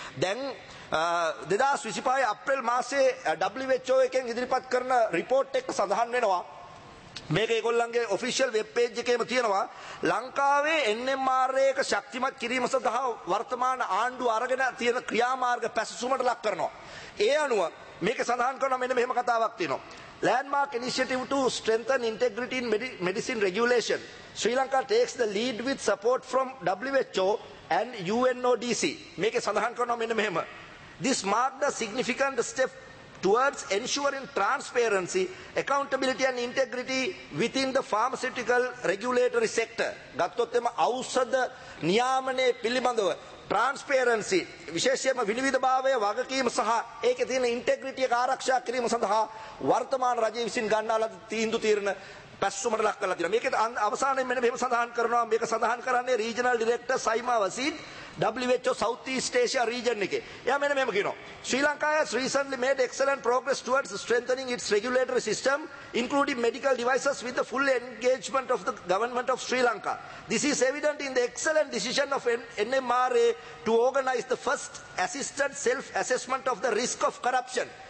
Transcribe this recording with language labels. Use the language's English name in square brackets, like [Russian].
[Sinhala] දැන් 2025 අප්‍රේල් මාසේ WHO එකෙන් ඉදිරිපත් කරන රිපෝට් එක සඳහන් වෙනවා. මේක ඒගොල්ලන්ගේ ඔෆිෂියල් වෙබ් පේජ් එකේම තියෙනවා. ලංකාවේ NMR එක ශක්තිමත් කිරීම සඳහා වර්තමාන ආණ්ඩුව අරගෙන තියෙන ක්‍රියාමාර්ග පැසසුමට ලක් කරනවා. ඒ අනුව මේක සඳහන් කරනවා මෙන්න මෙහෙම කතාවක් තියෙනවා. [English] Landmark initiative to strengthen integrity in medicine regulation. Sri Lanka takes the lead with support from WHO and UNODC. [Sinhala] මේක සඳහන් කරනවා මෙන්න මෙහෙම. [English] This marked a significant step towards ensuring transparency, accountability and integrity within the pharmaceutical regulatory sector. [Sinhala] ගත්තොත්ම ඖෂධ නියාමනයේ පිළිබඳව transparency විශේෂයෙන්ම විනිවිදභාවය වගකීම සහ ඒකේ තියෙන integrity එක ආරක්ෂා කිරීම සඳහා වර්තමාන රජයේ විසින් ගන්නා ලද තීන්දුව తీරන පැස්සුමට ලක් කරලා තියෙනවා. මේකේ අවසානයේ මෙන්න මෙහෙම සඳහන් කරනවා. මේක සඳහන් කරන්නේ regional director Saima Wasid WHO Southeast Asia region එකේ. එයා මෙන්න මෙහෙම කියනවා. [English] Sri Lanka has recently made excellent progress towards strengthening its regulatory system including medical devices with the full engagement of the government of Sri Lanka. This is evident in the excellent decision of NMRA to organize the first assisted self assessment of the risk of corruption.